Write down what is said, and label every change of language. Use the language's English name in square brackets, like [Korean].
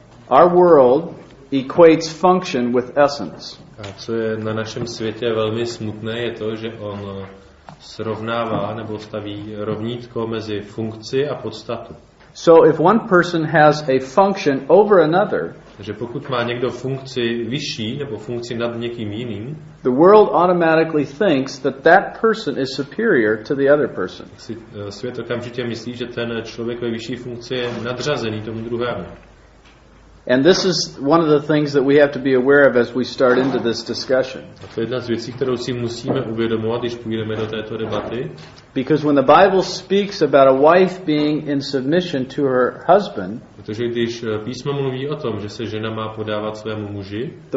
[English] Our world equates function with essence. [Czech] A co je na našem světě velmi smutné, je to, že on srovnává nebo staví rovnítko mezi funkci a podstatu. [English] So if one person has a function over another, [Czech] že pokud má někdo funkci vyšší nebo funkci nad někým jiným, [English] the world automatically thinks that that person is superior to the other person. [Czech] Svět okamžitě myslí, že ten člověk ve vyšší funkci je nadřazený tomu druhému. [English] And this is one of the things that we have to be aware of as we start into this discussion. [Czech] A to je jedna z věcí, kterou si musíme uvědomovat, když půjdeme do této debaty. [English] Because when the Bible speaks about a wife being in submission to her husband, [Czech] protože když písmo mluví o tom, že se žena má podávat svému muži,